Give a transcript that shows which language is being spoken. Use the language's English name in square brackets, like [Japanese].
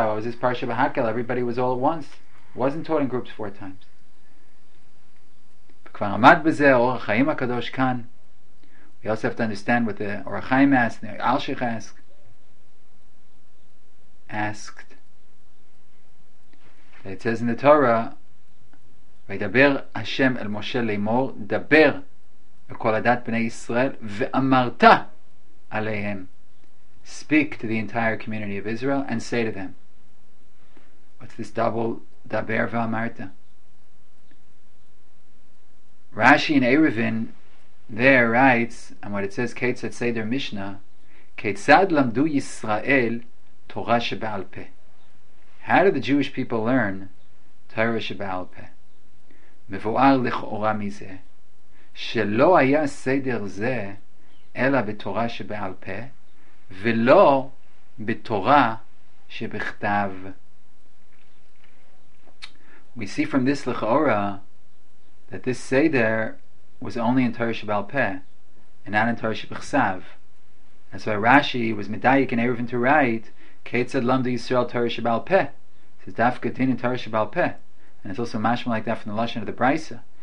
[English] Why was this parasha b'hakel? Everybody was all at once. It wasn't taught in groups four times. [Hebrew] V'kvar amad b'zeh Or HaChaim HaKadosh Kan. [English] We also have to understand what the Or HaChaim asked, the Alshich asked. It says in the Torah, [Hebrew] וידבר השם אל משה לאמור, דבר לכל הדת בני ישראל, ואמרת עליהם. [English] Speak to the entire community of Israel and say to them. What's this double [Hebrew] דבר ואמרת? [English] Rashi and Erevin there writes, and what it says, [Hebrew] כיצד סדר משנה, כיצד למדו ישראל תורה שבעל פה? [English] How do the Jewish people learn [Hebrew] תורה שבעל פה? מבואר לכאורה מזה שלא היה סדר זה אלא בתורה שבעל פה ולא בתורה שבכתב. [English] We see from this לכאורה that this seder was only in Torah שבעל פה and not in Torah שבכתב. And so Rashi was מדייק and Erevin to write [Hebrew] כיצד למדו ישראל [English] Torah שבעל פה. It says דווקא דין in Torah שבעל פה. And it's also mashma like that from the Lashon of the Braisa.